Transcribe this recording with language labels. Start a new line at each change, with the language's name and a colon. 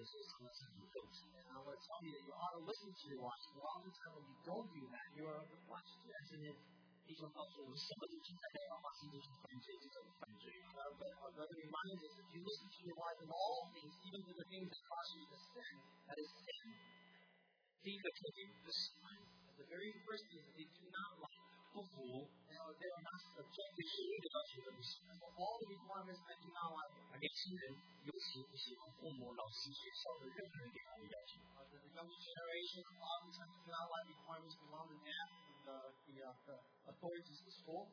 English: I want to tell you that you ought to listen to your wife, but oftentimes when you don't do that, you are of the flesh. Isn't it?
Chinese: 弟兄告诉我们，什么都听太太的话，心中就犯罪，就是犯罪。
English: But Brother reminds us, if you listen to your wife in all things, even to the things that cause you to sin, that is sin.
Chinese: 第一个特点，不喜欢。
English: The very first thing is they do not like.
Chinese: 不服。
English: They are not subject.
Chinese: 对所有的要求都不喜欢。
English: All the requirements I do not like.
Chinese: 而年轻人尤其不喜欢父母、老师、学校的任何人给他的要求。
English: The younger generation oftentimes do not like requirements from mom and dad, the authorities at school.